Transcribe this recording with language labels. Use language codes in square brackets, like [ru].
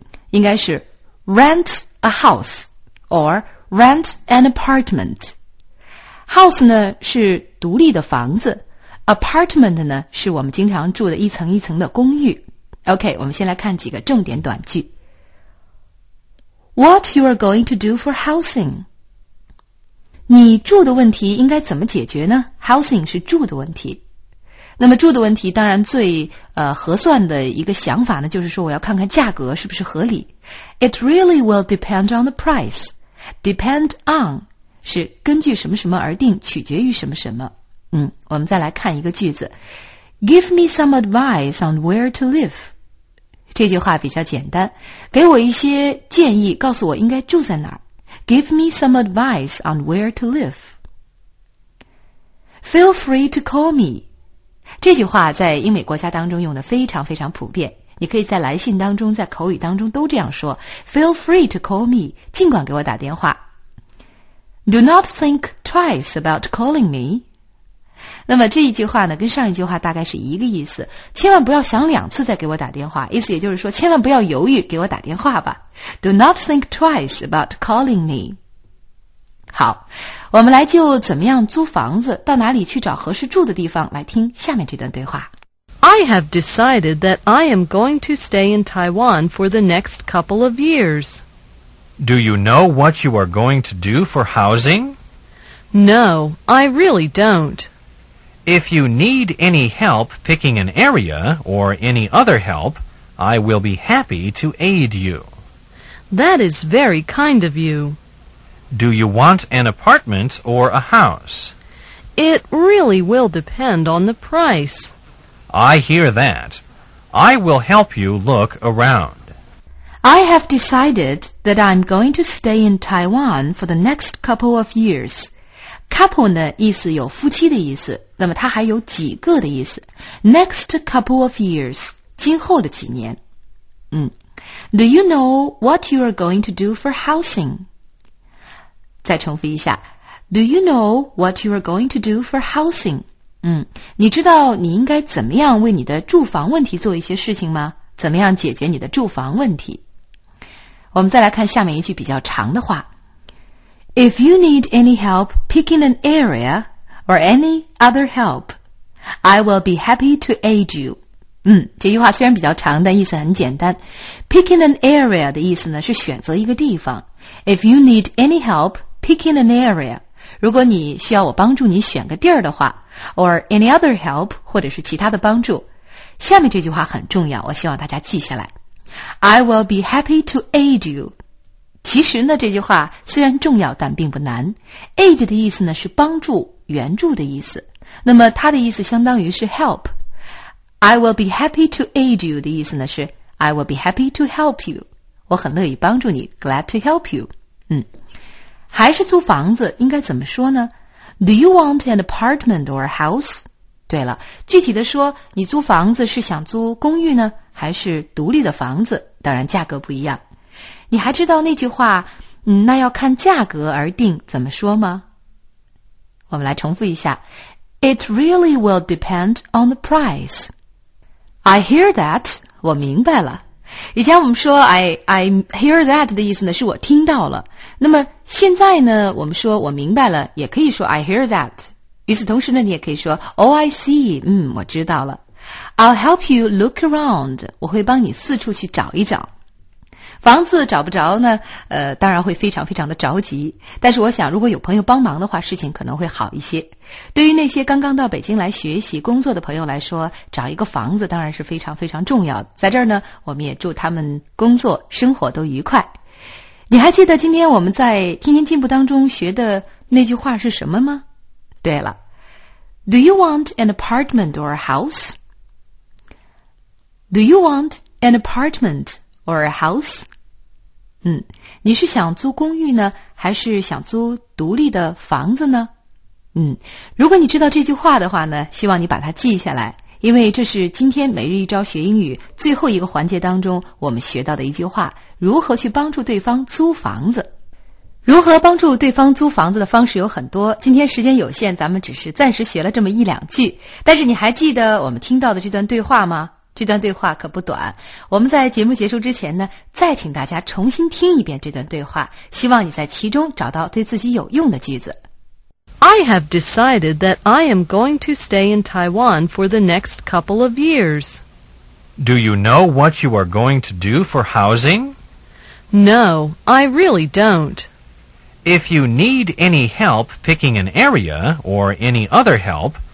[zh] 应该是 [en] rentA house, or rent an apartment. [zh] House 呢是独立的房子， apartment 呢是我们经常住的一层一层的公寓。 OK, 我们先来看几个重点短句。 [en] What you are going to do for housing? [zh] 你住的问题应该怎么解决呢？ Housing 是住的问题。那么住的问题当然最合算的一个想法呢，就是说我要看看价格是不是合理。 [en] It really will depend on the price. Depend on [zh] 是根据什么什么而定，取决于什么什么。我们再来看一个句子。 [en] Give me some advice on where to live. [zh] 这句话比较简单，给我一些建议，告诉我应该住在哪儿。 [en] Give me some advice on where to live. Feel free to call me. [zh] 这句话在英美国家当中用的非常非常普遍，你可以在来信当中，在口语当中都这样说， [en] Feel free to call me， [zh] 尽管给我打电话。 [en] Do not think twice about calling me。 [zh] 那么这一句话呢，跟上一句话大概是一个意思，千万不要想两次再给我打电话，意思也就是说千万不要犹豫，给我打电话吧。 [en] Do not think twice about calling me。 [zh] 好，我们来就怎么样租房子，到哪里去找合适住的地方，来听下面这段对话。 [en] I have decided that I am going to stay in Taiwan for the next couple of years. Do you know what you are going to do for housing? No, I really don't. If you need any help picking an area or any other help, I will be happy to aid you. That is very kind of you. Do you want an apartment or a house? It really will depend on the price. I hear that. I will help you look around. I have decided that I'm going to stay in Taiwan for the next couple of years. [zh] Couple 呢，意思有夫妻的意思，那么它还有几个的意思。 [en] Next couple of years, [zh] 今后的几年。 [en] Do you know what you are going to do for housing? [zh] 再重复一下 [en] Do you know what you are going to do for housing? [zh] 你知道你应该怎么样为你的住房问题做一些事情吗？怎么样解决你的住房问题？我们再来看下面一句比较长的话。 [en] If you need any help picking an area or any other help, I will be happy to aid you. [zh] 这句话虽然比较长，但意思很简单。 Picking an area 的意思呢，是选择一个地方。 [en] If you need any help picking an area, [zh] 如果你需要我帮助你选个地儿的话， [en] or any other help, [zh] 或者是其他的帮助。下面这句话很重要，我希望大家记下来。 [en] I will be happy to aid you. [zh] 其实呢，这句话虽然重要，但并不难。Aid 的意思呢，是帮助、援助的意思。那么它的意思相当于是 help。 [en] I will be happy to aid you [zh] 的意思呢，是 [en] I will be happy to help you. [zh] 我很乐意帮助你 , [en] glad to help you. [zh] 还是租房子应该怎么说呢？ [en] Do you want an apartment or a house? [zh] 对了，具体的说，你租房子是想租公寓呢，还是独立的房子？当然价格不一样。你还知道那句话，那要看价格而定，怎么说吗？我们来重复一下。 [en] It really will depend on the price. I hear that, [zh] 我明白了。以前我们说 I hear that 的意思呢，是我听到了。那么现在呢，我们说我明白了，也可以说 I hear that。与此同时呢，你也可以说 [en] Oh, I see。 [zh] 我知道了。 [en] I'll help you look around。 [zh] 我会帮你四处去找一找。房子找不着呢，当然会非常非常的着急。但是我想，如果有朋友帮忙的话，事情可能会好一些。对于那些刚刚到北京来学习工作的朋友来说，找一个房子当然是非常非常重要的。在这儿呢，我们也祝他们工作生活都愉快。你还记得今天我们在天天进步当中学的那句话是什么吗？对了， [en] Do you want an apartment or a house? Do you want an apartment? Or a house? [zh] 你是想租公寓呢，还是想租独立的房子呢？如果你知道这句话的话呢，希望你把它记下来，因为这是今天每日一招学英语最后一个环节当中我们学到的一句话，如何去帮助对方租房子。如何帮助对方租房子的方式有很多，今天时间有限，咱们只是暂时学了这么一两句，但是你还记得我们听到的这段对话吗？这段对话可不短，我们在节目结束之前呢，再请大家重新听一遍这段对话，希望你在其中找到对自己有用的句子。 [en] I have decided that I am going to stay in Taiwan for the next couple of years. Do you know what you are going to do for housing? No, I really don't. If you need any help picking an area or any other help,